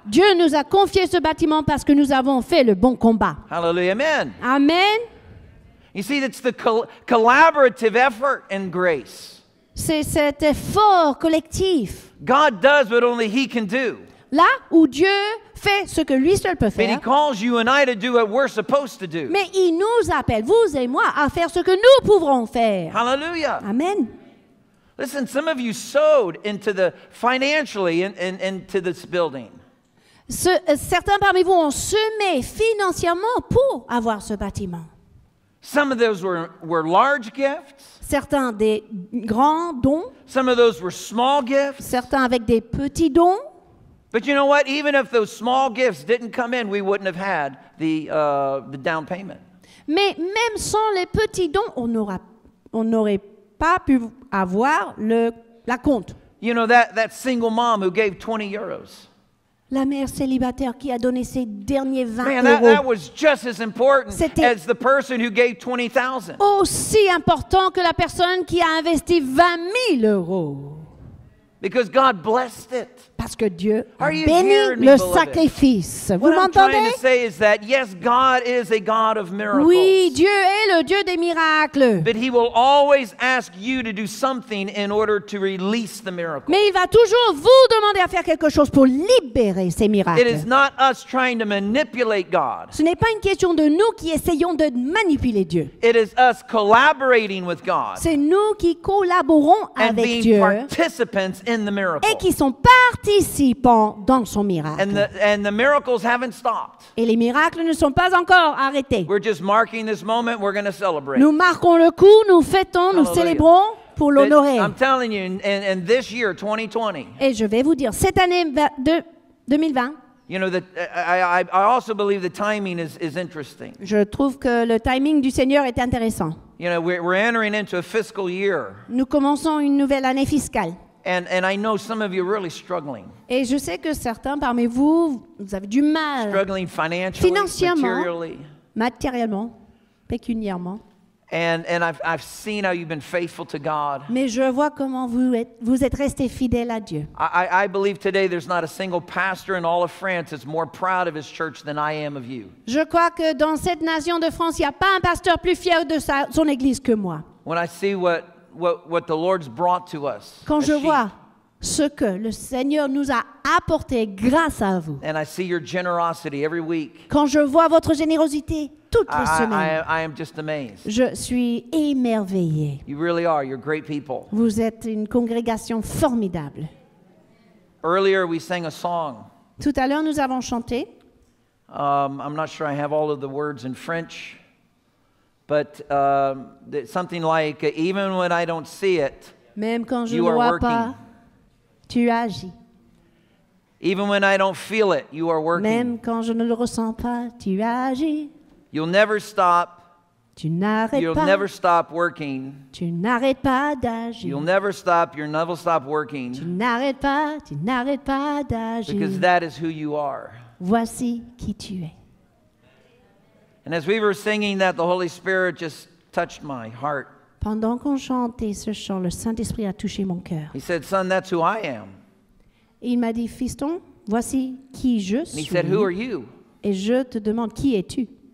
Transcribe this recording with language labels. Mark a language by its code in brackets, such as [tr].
[fr] Dieu nous a confié ce bâtiment parce que nous avons fait le bon combat. [en] Hallelujah, amen. Amen. You see, it's the collaborative effort and grace. [fr] C'est cet effort collectif. [en] God does what only He can do. [fr] Là où Dieu fait ce que lui seul peut faire. [en] But he calls you and I to do what we're supposed to do. [fr] Mais il nous appelle, vous et moi, à faire ce que nous pouvons faire. [en] Hallelujah. Amen. Listen, some of you sowed into the financially into this building. [fr] Certains parmi vous ont semé financièrement pour avoir ce bâtiment. [en] Some of those were large gifts. [fr] Certains des grands dons. [en] Some of those were small gifts. [fr] Certains avec des petits dons. [en] But you know what? Even if those small gifts didn't come in, we wouldn't have had the down payment. [fr] Mais même sans les petits dons, on n'aurait pas pu avoir la compte. [en] You know that single mom who gave 20 euros. [fr] La mère célibataire qui a donné ses derniers 20 euros. [en] That was just as important as the person who gave 20,000. [fr] Aussi important que la personne qui a investi 20 000 euros. [en] Because God blessed it. [fr] Parce que Dieu a béni le sacrifice. Vous m'entendez? [en] Yes, God is a God of miracles. [fr] Oui, Dieu est le Dieu des miracles. [en] But he will always ask you to do something in order to release the miracle. [fr] Mais il va toujours vous demander à faire quelque chose pour libérer ces miracles. [en] It is not us trying to manipulate God. [fr] Ce n'est pas une question de nous qui essayons de manipuler Dieu. [en] It is us collaborating with God. [fr] C'est nous qui collaborons avec Dieu. [en] And being participants in the miracle. [fr] Et qui sont participants dans son miracle. [en] And the miracles haven't stopped. [fr] Et les miracles ne sont pas encore arrêtés. [en] We're just marking this moment, we're going to celebrate. [fr] Nous marquons le coup, nous fêtons, hallelujah. Nous célébrons pour l'honorer. [en] I'm telling you, in this year, 2020. [fr] Et je vais vous dire, cette année 2020. [en] You know, I also believe the timing is interesting. [fr] Je trouve que le timing du Seigneur est intéressant. [en] You know, we're entering into a fiscal year. [fr] Nous commençons une nouvelle année fiscale. [en] And I know some of you are really struggling. [fr] Et je sais que certains parmi vous, vous avez du mal. [en] Struggling financially, materially. [fr] Matériellement, pécuniairement. [en] And I've seen how you've been faithful to God. [fr] Mais je vois comment vous êtes resté fidèle à Dieu. [en] I believe today there's not a single pastor in all of France that's more proud of his church than I am of you. [fr] Je crois que dans cette nation de France, il n'y a pas un pasteur plus fier de son église que moi. [en] When I see what the Lord's brought to us. [fr] Quand je vois ce que le Seigneur nous a apporté grâce à vous. [en] And I see your generosity every week. [fr] Quand je vois votre générosité toutes les semaines. [en] I am just amazed. [fr] Je suis émerveillé. [en] You really are. You're great people. [fr] Vous êtes une congrégation formidable. [en] Earlier we sang a song. [fr] Tout à l'heure nous avons chanté. [en] I'm not sure I have all of the words in French. But something like, even when I don't see it, [fr] même quand je [en] you are [fr] vois [en] working. [fr] Pas, tu agis. [en] Even when I don't feel it, you are working. [fr] Même quand je ne le ressens pas, tu agis. [en] You'll never stop. [fr] Tu n'arrêtes [en] You'll [fr] pas. [en] Never stop working. [fr] Tu n'arrêtes pas d'agir. [en] You'll never stop. You'll never stop working. [fr] Tu n'arrêtes pas d'agir. [en] Because that is who you are. [fr] Voici qui tu es. [en] And as we were singing that, the Holy Spirit just touched my heart. [fr] Pendant qu'on chantait ce chant, le Saint-Esprit a touché mon cœur. [en] He said, "Son, that's who I am." [fr] Il m'a dit, fiston, voici qui je suis. [en] And he said, "Who are you?" [fr] Et je te demande, qui es-tu?